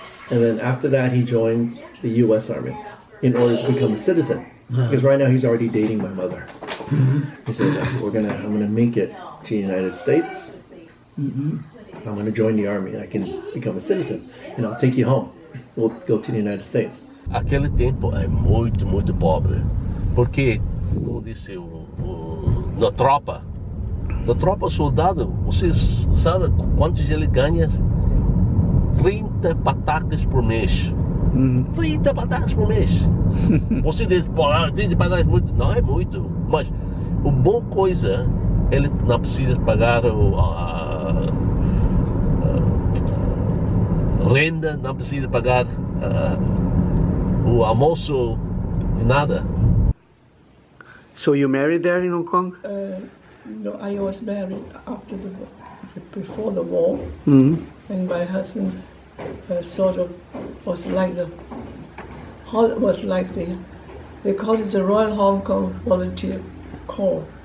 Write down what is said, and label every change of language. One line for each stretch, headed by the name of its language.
English: And then after that, he joined the U.S. Army in order to become a citizen. Because right now, he's already dating my mother. Mm-hmm. He says, I'm going to make it to the United States. Mm-hmm. I'm going to join the army and I can become a citizen and I'll take you home. We'll go to the United States.
Portuguese: Aquele tempo é muito, muito pobre. Porque, como disse, na tropa, soldado, vocês sabem quantos ele ganha? 30 patacas por mês. 30 patacas por mês. Você diz, pô, 30 patacas por mês. Não é muito, mas uma boa coisa. Ele não precisa pagar a renda, não precisa pagar o almoço, nada.
English: So you married there in Hong Kong? No, I was married after the war, before the war. Mm-hmm. And my husband was like the, they called it the Royal Hong Kong Volunteer Corps.